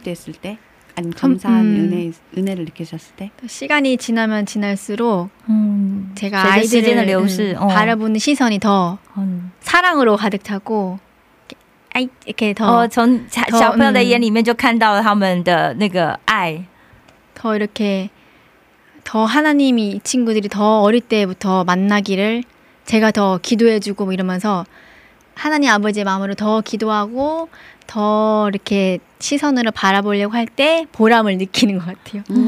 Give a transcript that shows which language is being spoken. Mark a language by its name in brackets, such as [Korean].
[Korean] 됐을 때 아니 감사한 은혜를 느끼셨을 때 시간이 지나면 지날수록 제가 아이들을 바라보는 시선이 더 사랑으로 가득 차고 아이 이렇게 더 [Chinese] 从小朋友的眼里面就看到了他们的那个爱 [Korean] 더 이렇게 더 하나님이 이 친구들이 더 어릴 때부터 만나기를 제가 더 기도해주고 이러면서 하나님 아버지의 마음으로 더 기도하고 더 이렇게 시선으로 바라보려고 할 때 보람을 느끼는 것 같아요.